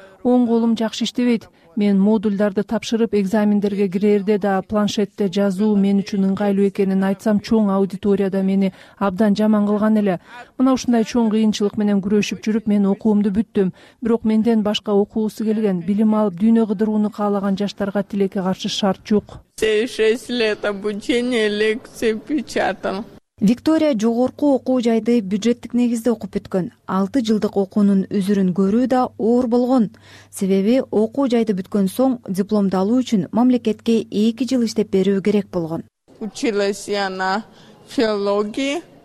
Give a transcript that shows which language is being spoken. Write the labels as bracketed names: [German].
[Kyrgyz] Оң колум жакшы иштебейт. Мен модульдарды тапшырып экзамендерге кирерде да планшетте жазуу мен үчүн ыңгайлуу экенин айтсам, чоң аудиторияда мени абдан жаман кылган эле. Мына ушундай чоң кыйынчылык менен күрөшүп жүрүп, мен окуумду бүттүм. Бирок менден башка окуусу келген, билим алып дүйнө кыдырууну каалаган жаштарга тилекке каршы шарт жок. [Russian] 6 лет обучения лекции печатал. [Kyrgyz] Виктория жогорку окуу жайды бюджеттик негизде окуп бүткөн. 6 жылдык окуунун үзүрүн көрүү да оор болгон. Себеби окуу жайды бүткөн соң дипломду алуу үчүн мамлекетке 2 жыл иштеп берүү керек болгон. [Russian] Училась я на филологии.